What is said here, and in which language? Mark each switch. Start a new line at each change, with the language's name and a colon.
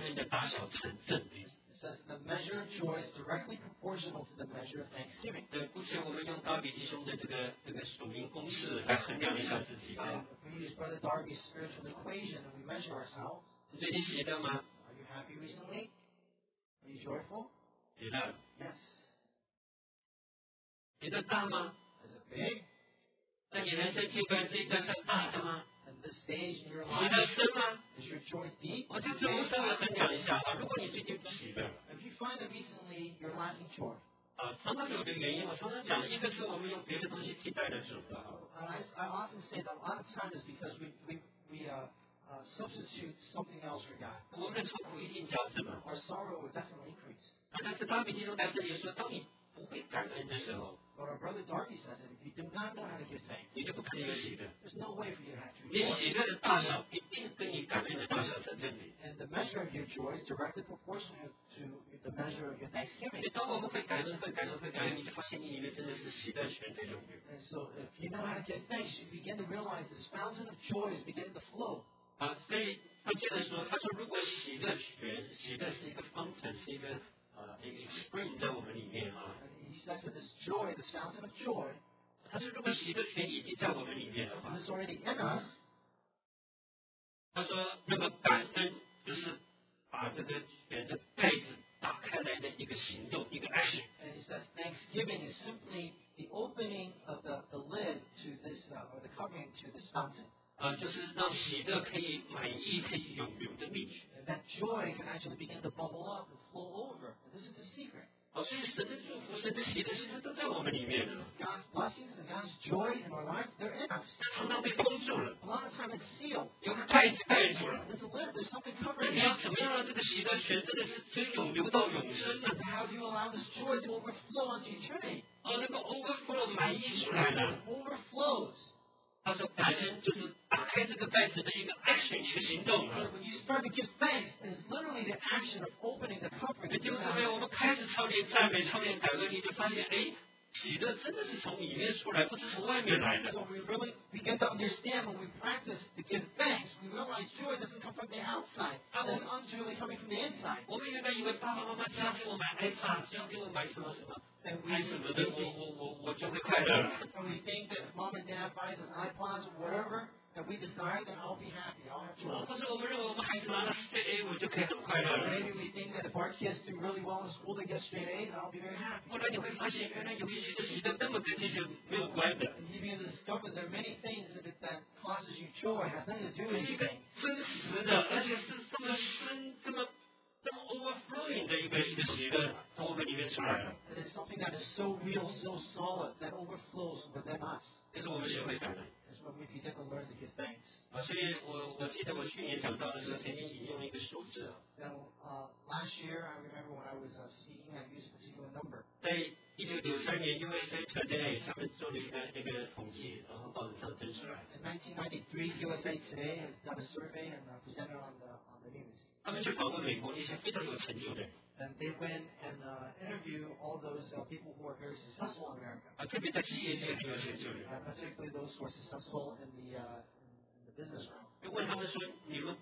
English: It says the measure of joy is directly proportional to the measure of thanksgiving.
Chinese: 对，姑且我们用大比弟兄的这个属灵公式来衡量一下自己。
English: We use Brother Darby's spiritual equation and we measure ourselves.
Chinese: 你最近喜乐吗？
English: Are you happy recently? Are you joyful?
Chinese: 喜乐。
English: Yes.
Chinese: 你的大吗？
English: Is it big?
Chinese: 那你人生阶段这一段是大的吗？
English: And this stage in your life,
Chinese: 喜乐深吗？
English: Is your joy deep?
Chinese: 我就只能稍微衡量一下，如果你最近不喜乐，
English: If you find that recently you're lacking joy,
Chinese: 常常有的原因，我常常讲，一个是我们用别的东西替代的时候，
English: I often say that a lot of times is because we substitute something else for God.
Chinese: 我们的愁苦一定加增吗？
English: Our sorrow will definitely increase.
Chinese: 但是大卫弟兄在这里说，当你不会感恩的时候，
English: But our brother Darby says that if you do not know how to give thanks,
Chinese: 你就不可能有喜乐。
English: There's no way for you to have true joy.
Chinese: 你喜乐的大小一定跟你感恩的大小成正比。
English: And the measure of your joy is directly proportional to the measure of your thanksgiving.
Chinese: 当我们会感恩、会感恩、会感恩，你就发现你里面真的是喜乐泉在涌流。
English: And so if you know how to give thanks, you begin to realize this fountain of joy is beginning to flow.
Chinese: 所以他接着说，他说如果喜乐泉，喜乐是一个 fountain， 是一个 spring 在我们里面啊。
English: He said that this joy, this fountain of joy, is already in us.
Chinese: 他说，那么感恩就是把这个泉的盖子打开来的一个行动，一个 action.
English: And he says thanksgiving is simply the opening of the lid to this, or the covering to this fountain.
Chinese: 就是让喜乐可以满溢，可以涌流的秘诀。
English: And that joy can actually begin to bubble up and flow over. And this is the secret.
Chinese: 所以神的祝福、神的喜乐，其实都在我们里面了。
English: God's blessings and God's joy in our lives, they're in us.
Chinese: 常常被封住了。
English: A lot of times it's sealed.
Chinese: 有个盖子盖住了。
English: There's a lid. There's something covering.
Chinese: 那你要怎么样让这个喜乐泉真的是只涌流到永生呢？
English: How do you allow this joy to overflow into eternity?
Chinese: 那个 overflow 满溢出来的。
English: Overflows.
Chinese: 他说感恩就是打开这个盖子的一个 action， 一个行动。
English: When you start to give thanks, it's literally the action of opening the covering.
Chinese: 就是因为我们开始操练赞美、操练感恩，你就发现，喜乐真的是从里面出来，不是从外面来的。
English: So we really begin to understand when we practice to give thanks, we realize joy doesn't come from the outside. It's actually coming from the inside.
Chinese: 我们原来以为爸爸妈妈只要给我买 iPhone， 只要给我买什么什么。
English: And we think that mom and dad buys us iPods or whatever that we desire, then I'll be happy. I'll have joy. Maybe we think that if our kids do really well in school, they get straight A's, I'll be very happy. And you begin to discover there are many things that joy has nothing to do with anything.
Chinese: 这是一个真实的，而且是这么深、这么overflowing的一个一个喜乐从我们里面出来的。
English: It is something that is so real, so solid that overflows within us.
Chinese: 这是我们学会感恩。
English: Is what we need to learn to give thanks.
Chinese: 所以我记得我去年讲到的时候，曾经引用一个数字。
English: Last year, I remember when I was speaking, I used a particular number.
Chinese: 在1993年 ，USA Today 他们做了一个统计，然后报纸上登出来。
English: In 1993, USA Today done a survey and presented on the news.
Chinese: 他们去访问美国一些非常有成就的。
English: And they went and interview all those people who are very successful in America.
Chinese: 特别在企业界很有成就的。
English: Particularly those who are successful in the business realm.